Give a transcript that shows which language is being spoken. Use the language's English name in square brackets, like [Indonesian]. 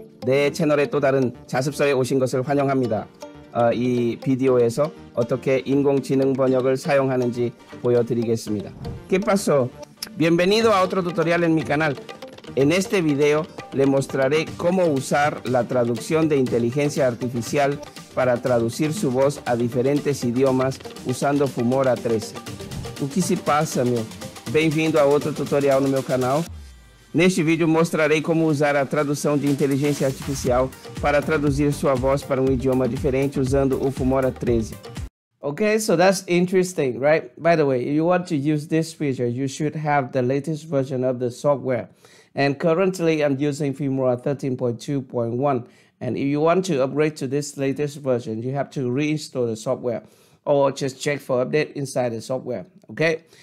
[Korean] 내 채널에 또 다른 자습서에 오신 것을 환영합니다. 이 비디오에서 어떻게 인공지능 번역을 사용하는지 보여드리겠습니다. [Spanish] ¿Qué pasó? Bienvenido a otro tutorial en mi canal. En este video le mostraré cómo usar la traducción de inteligencia artificial para traducir su voz a diferentes idiomas usando Filmora 13. [Portuguese] O que se passa, meu? Bem-vindo a outro tutorial no meu canal. Neste vídeo mostrarei como usar a tradução de inteligência artificial para traduzir sua voz para idioma diferente usando o Filmora 13. [English] Okay, so that's interesting, right? By the way, if you want to use this feature, you should have the latest version of the software. And currently, I'm using Filmora 13.2.1. And if you want to upgrade to this latest version, you have to reinstall the software or just check for update inside the software, okay?